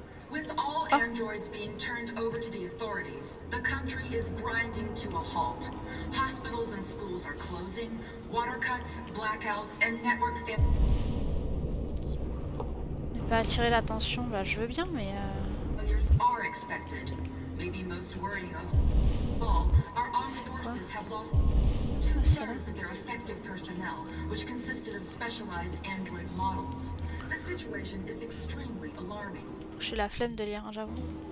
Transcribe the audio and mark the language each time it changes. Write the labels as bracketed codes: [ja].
[en] With all androids being turned over to the authorities, the country is grinding to a halt. Hospitals and schools are closing, water cuts, blackouts, and network failures. [fr] Ne pas attirer l'attention, bah je veux bien, mais. [en] Failures are expected. Maybe most worrying of all, our armed forces have lost two-thirds of their effective personnel, which consisted of specialized android models. The situation is extremely alarming. [fr] J'ai la flemme de lire, j'avoue.